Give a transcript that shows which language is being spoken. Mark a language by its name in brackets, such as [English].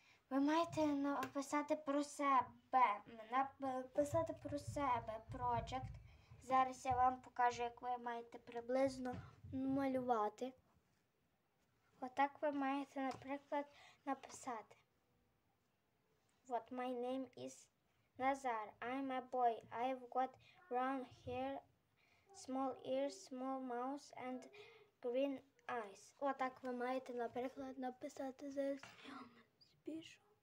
[Ukrainian] Ви маєте написати про себе. Написати про себе. Project. Зараз я вам покажу, як ви маєте приблизно малювати. Отак ви маєте, наприклад, написати. [English] What my name is Nazar. I'm a boy. I've got brown hair, small ears, small mouth, and green eyes. [Ukrainian] Отак ви маєте, наприклад, написати за спішу.